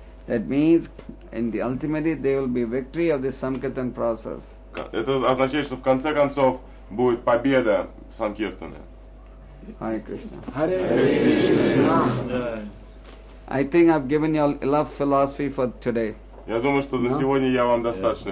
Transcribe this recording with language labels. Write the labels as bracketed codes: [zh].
[en] That means in the ultimately there will be victory of the Sankirtan process. [ru] Это означает, что в конце концов будет победа Санкиртаны. [sa] Hare Krishna. Hare Krishna. [en] I think I've given you enough philosophy for today. [ru] Я думаю, что на сегодня я вам достаточно